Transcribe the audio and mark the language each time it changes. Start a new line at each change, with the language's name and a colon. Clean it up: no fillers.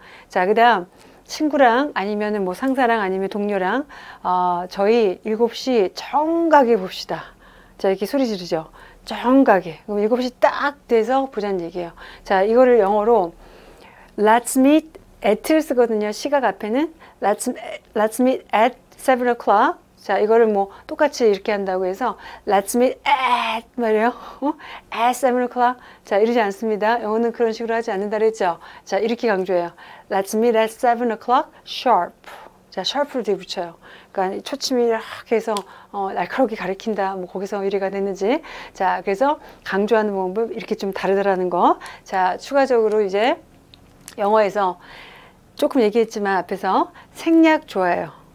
Korean: 자, 그다음 친구랑 아니면은 뭐 상사랑 아니면 동료랑 저희 7시 정각에 봅시다. 자, 이렇게 소리 지르죠? 정각에. 그럼 7시 딱 돼서 보자는 얘기예요. 자, 이거를 영어로
English: Let's meet at
Korean: 를 쓰거든요. 시각 앞에는
English: let's meet at 7 o'clock.
Korean: 자, 이거를 뭐 똑같이 이렇게 한다고 해서
English: let's meet at
Korean: 말이에요.
English: at 7 o'clock.
Korean: 자, 이러지 않습니다. 영어는 그런 식으로 하지 않는다 그랬죠. 자, 이렇게 강조해요.
English: let's meet at 7 o'clock sharp.
Korean: 자, sharp를 뒤에 붙여요. 그러니까 초침이 이렇게 해서 날카롭게 가리킨다. 뭐 거기서 이래가 됐는지. 자, 그래서 강조하는 방법 이렇게 좀 다르더라는 거. 자, 추가적으로 이제 영어에서 조금 얘기했지만 앞에서 생략 좋아요.